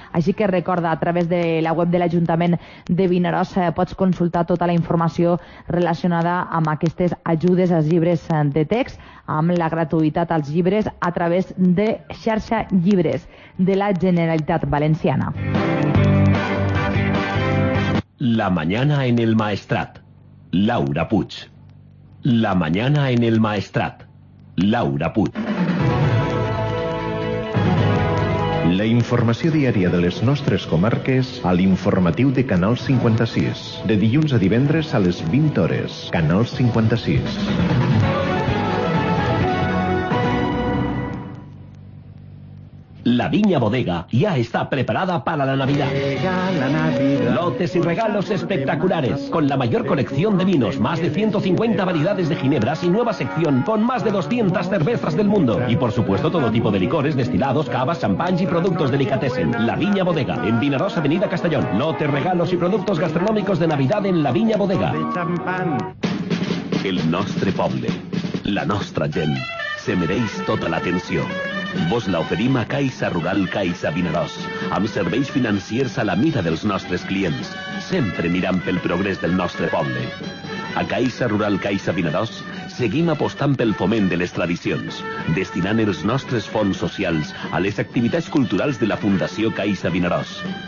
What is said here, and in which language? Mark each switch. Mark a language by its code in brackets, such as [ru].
[ca] Així que recorda, a través de la web de l'Ajuntament de Vinaròs pots consultar tota la informació relacionada amb aquestes ajudes als llibres de text, amb la gratuïtat als llibres, a través de Xarxa Llibres de la Generalitat Valenciana. [es] La mañana en el Maestrat, Laura Puig. La mañana en el Maestrat, Laura Puig. [ca] La informació diària de les nostres comarques a l'informatiu de Canal 56. De dilluns a divendres a les 20 hores, Canal 56. [es] La Viña Bodega ya está preparada para la Navidad. Lotes y regalos espectaculares, con la mayor colección de vinos, más de 150 variedades de ginebras y nueva sección con más de 200 cervezas del mundo. Y por supuesto todo tipo de licores, destilados, cavas, champáns y productos delicatessen. La Viña Bodega, en Vinaròs, Avenida Castellón. Lotes, regalos y productos gastronómicos de Navidad en La Viña Bodega. [ca] El nostre poble, la nostra gent, se mereix tota l'atenció. Vos la oferim a Caixa Rural Caixa Vinaròs, amb serveis financiers a la mida dels nostres clients, sempre mirant pel progrés del nostre poble. A Caixa Rural Caixa Vinaròs seguim apostant pel foment de les tradicions, destinant els nostres fons socials a les activitats culturals de la Fundació Caixa Vinaròs.